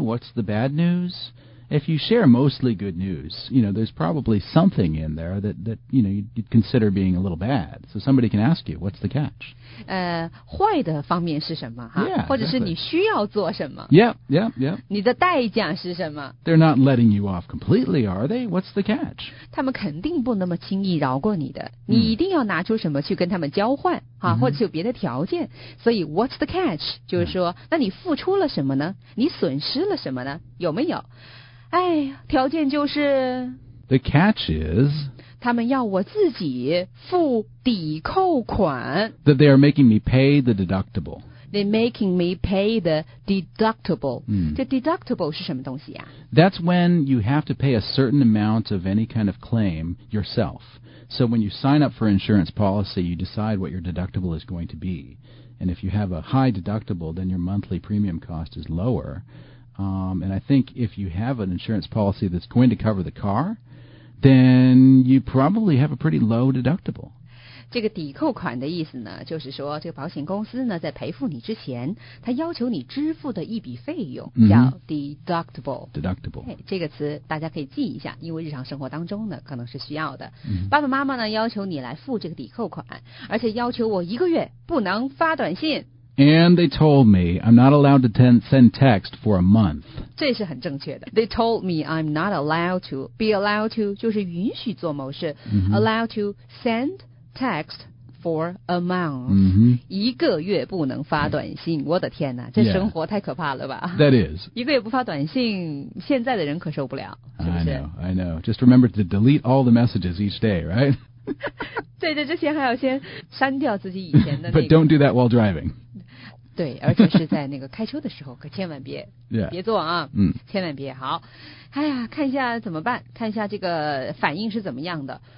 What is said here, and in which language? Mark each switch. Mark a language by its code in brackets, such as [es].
[en] What's the bad news? If you share mostly good news, you know, there's probably something in there that you know you'd consider being a little bad. So somebody can ask you, "What's the catch?" [zh] 坏的方面是什么？哈、 [en] yeah, [zh] 或者是你需要做什么 [en] ？Yeah. [zh] 你的代价是什么 [en] ？They're not letting you off completely, are they? What's the catch? [zh] 他们肯定不那么轻易饶过你的。你一定要拿出什么去跟他们交换，哈、 mm-hmm. 或者是有别的条件。所以 ， [en] What's the catch? [zh] 就是说， [en] yeah. [zh] 那你付出了什么呢？你损失了什么呢？有没有？哎，条件就是 [en] The catch is [zh] 他们要我自己付抵扣款 [en] That they are making me pay the deductible They're making me pay the deductible、 mm. [zh] 这 deductible 是什么东西啊 [en] That's when you have to pay a certain amount of any kind of claim yourself So when you sign up for insurance policy You decide what your deductible is going to be And if you have a high deductible Then your monthly premium cost is lowerAnd I think if you have an insurance policy that's going to cover the car, then you probably have a pretty low deductible. [zh] 这个抵扣款的意思呢，就是说这个保险公司呢在赔付你之前，他要求你支付的一笔费用叫 deductible. [en] Mm-hmm. Deductible. [zh] 这个词大家可以记一下，因为日常生活当中呢可能是需要的。 Mm-hmm. 爸爸妈妈呢要求你来付这个抵扣款，而且要求我一个月不能发短信。 [en] And they told me I'm not allowed to send text for a month. [zh] 这是很正确的。 [en] They told me I'm not allowed to be allowed to [zh] 就是允许做某事、 mm-hmm. [en] allowed to send text for a month.、 Mm-hmm. [zh] 一个月不能发短信。我的天哪，这生活太可怕了吧 [en] yeah, ？That is. [zh] 一个月不发短信，现在的人可受不了，是不是 [en] ？I know. Just remember to delete all the messages each day, right? [zh] 对对，之前还要先删掉自己以前的、那个。 [en] But don't do that while driving. [zh] 对，而且是在那个开车的时候，可千万别、 [en] yeah. [zh] 别做啊，嗯，千万别好。哎呀，看一下怎么办，看一下这个反应是怎么样的。